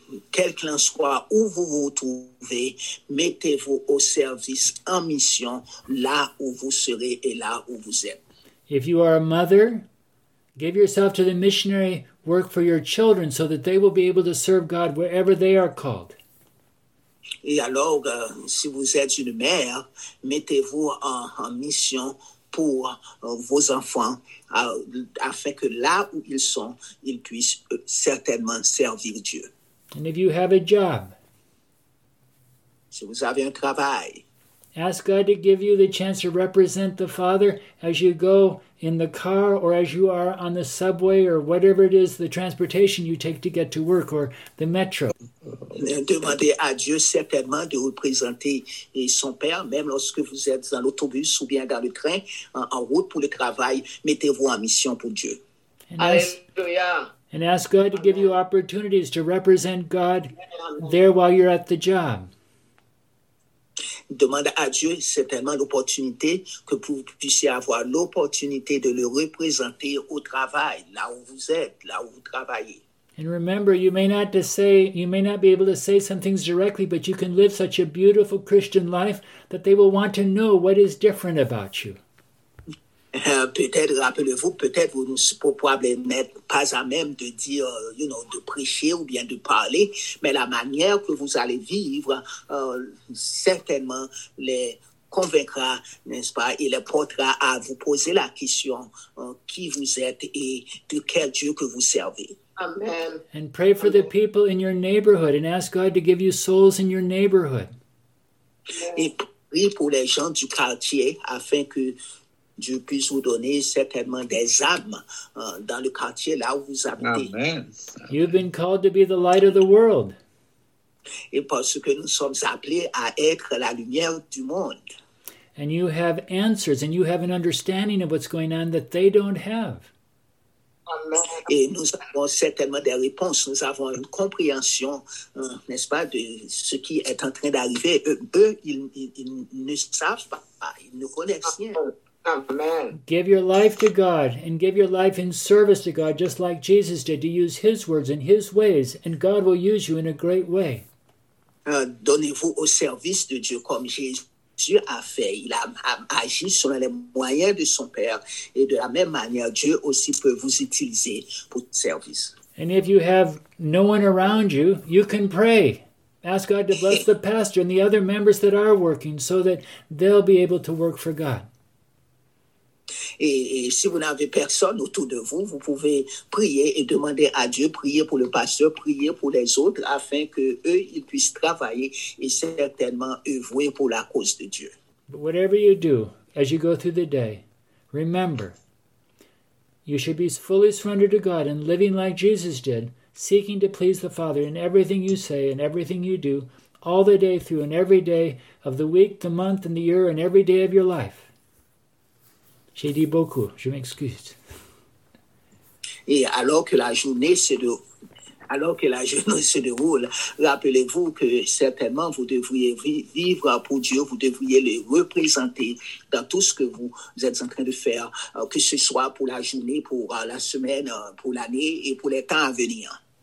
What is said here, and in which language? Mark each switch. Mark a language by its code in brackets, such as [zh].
[fr] Quel qu'en soit où vous vous trouvez, mettez-vous au service en mission là où vous serez et là où vous êtes. [en] If you are a mother, give yourself to the missionary work for your children so that they will be able to serve God wherever they are called. [fr] Et alors, si vous êtes une mère, mettez-vous en mission pour vos enfants, afin que là où ils sont, ils puissent certainement servir Dieu. [en] And if you have a job, [fr] si vous avez un travail, [en] ask God to give you the chance to represent the Father as you go in the car or as you are on the subway or whatever it is, the transportation you take to get to work or the metro. [fr] demander à Dieu certainement de représenter son Père, même lorsque vous êtes dans l'autobus ou bien dans le train, en route pour le travail, mettez-vous en mission pour Dieu. Alléluia. [en] And ask God to give you opportunities to represent God there while you're at the job. [fr] Demande à Dieu certainement l'opportunité que vous puissiez avoir l'opportunité de le représenter au travail, là où vous êtes, là où vous travaillez. [en] And remember, you may not be able to say some things directly, but you can live such a beautiful Christian life that they will want to know what is different about you. [fr] Peut-être rappelez-vous, peut-être vous ne pouvez pas à même de dire, [en] you know, [fr] de prêcher ou bien de parler, mais la manière que vous allez vivre certainement les convaincra, n'est-ce pas, et les portera à vous poser la question qui vous êtes et de quel Dieu que vous servez. Amen. [en] And pray for the people in your neighborhood and ask God to give you souls in your neighborhood. [fr] Et prie pour les gens du quartier afin que Dieu puisse vous donner certainement des âmes dans le quartier là où vous habitez. Amen. [en] You've been called to be the light of the world. [fr] Et parce que nous sommes appelés à être la lumière du monde. [en] And you have answers and you have an understanding of what's going on that they don't have. Amen. [fr] Et nous avons certainement des réponses. Nous avons une compréhension, n'est-ce pas, de ce qui est en train d'arriver. Eux, ils ne savent pas. Ils ne connaissent rien. Amen. [en] Give your life to God and give your life in service to God just like Jesus did, to use his words and his ways, and God will use you in a great way. [fr] Donnez-vous au service de Dieu comme Jésus a fait. Il a agi selon les moyens de son Père, et de la même manière Dieu aussi peut vous utiliser pour service. [en] And if you have no one around you, you can pray. Ask God to bless the pastor and the other members that are working so that they'll be able to work for God. [fr] Et si vous n'avez personne autour de vous, vous pouvez prier et demander à Dieu, prier pour le pasteur, prier pour les autres, afin qu'eux, ils puissent travailler et certainement œuvrer pour la cause de Dieu. [en] But whatever you do, as you go through the day, remember, you should be fully surrendered to God and living like Jesus did, seeking to please the Father in everything you say and everything you do, all the day through and every day of the week, the month and the year and every day of your life. [fr] J'ai dit beaucoup, je m'excuse. Et alors que la journée se déroule, rappelez-vous que certainement vous devriez vivre pour Dieu, vous devriez le représenter dans tout ce que vous êtes en train de faire, que ce soit pour la journée, pour la semaine, pour l'année et pour les temps à venir.